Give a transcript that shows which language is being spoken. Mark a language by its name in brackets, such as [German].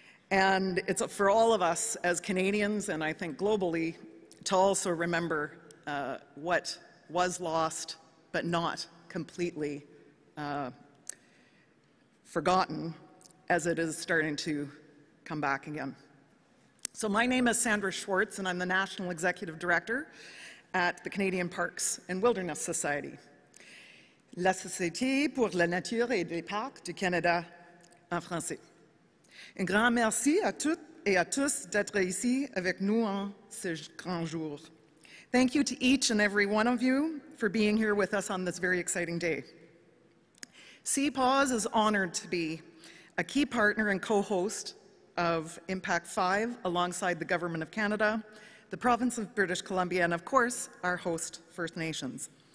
[English] And it's for all of us as Canadians and I think globally to also remember what was lost but not completely forgotten as it is starting to come back again. So my name is Sandra Schwartz, and I'm the National Executive Director at the Canadian Parks and Wilderness Society. [French] La Société pour la Nature et les Parcs du Canada, en français. Un grand merci à toutes et à tous d'être ici avec nous en ce grand jour. [English] Thank you to each and every one of you for being here with us on this very exciting day. CPAWS is honored to be a key partner and co-host of IMPAC 5 alongside the Government of Canada, the Province of British Columbia, and of course, our host First Nations.